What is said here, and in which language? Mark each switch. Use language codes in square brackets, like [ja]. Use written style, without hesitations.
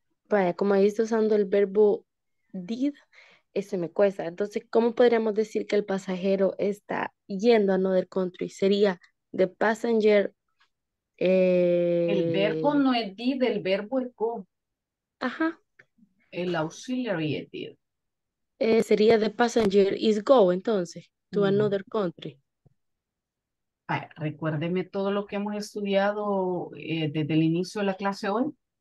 [es] Vaya, como ahí está usando el verbo did, ese me cuesta. Entonces, ¿cómo podríamos decir que el pasajero está yendo a [en] another country? Sería the passenger. [es] El verbo no es did, el verbo es go. Ajá. El auxiliary es did. [en] Sería the passenger is go, entonces, to another country. [es] Vaya, recuérdeme todo lo que hemos estudiado desde el inicio de la clase hoy.